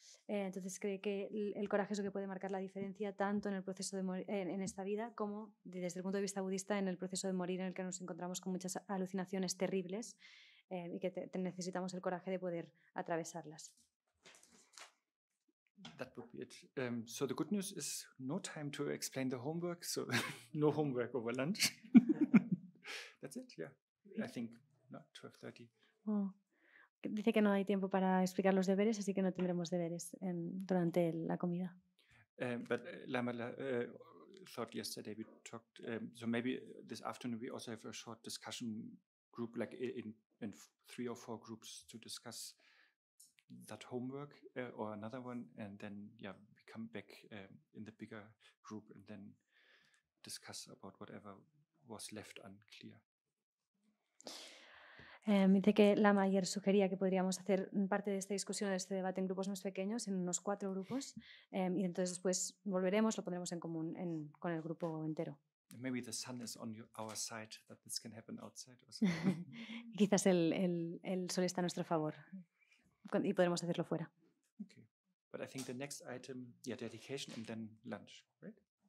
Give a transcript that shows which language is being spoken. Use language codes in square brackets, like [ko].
[es] Entonces cree que el coraje es lo que puede marcar la diferencia tanto en el proceso de en esta vida como desde el punto de vista budista en el proceso de morir en el que nos encontramos con muchas alucinaciones terribles y que necesitamos el coraje de poder atravesarlas. [en] That would be it. So the good news is no time to explain the homework, so no homework over lunch. That's it, yeah. I think not 12:30. [es] Dice que no hay tiempo para explicar los deberes, así que no tendremos deberes durante la comida. [en] But Lamala thought yesterday we talked, so maybe this afternoon we also have a short discussion group, like in three or four groups to discuss that homework or another one, and then yeah, we come back in the bigger group and then discuss about whatever was left unclear. [es] Dice que Lama ayer sugería que podríamos hacer parte de esta discusión, de este debate en grupos más pequeños, en unos cuatro grupos, y entonces después volveremos, lo pondremos en común con el grupo entero. [en] Maybe the sun is on our side, that this can happen outside. [es] Quizás el sol está a nuestro favor y podremos hacerlo fuera. [en] Okay, but I think the next item, yeah, dedication and then lunch, right?